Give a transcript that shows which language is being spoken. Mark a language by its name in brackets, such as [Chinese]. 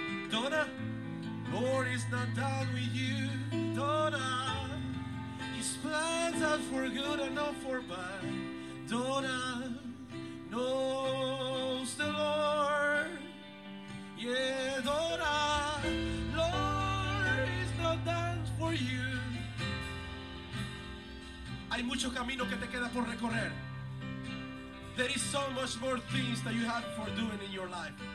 [English] Donna, Lord is not done with you. Donna, his plans are for good and not for bad. Donna knows the Lord. Yeah, Donna, Lord is not done for you. [Spanish] Hay mucho camino que te queda por recorrer. [English] There is so much more things that you have for doing in your life.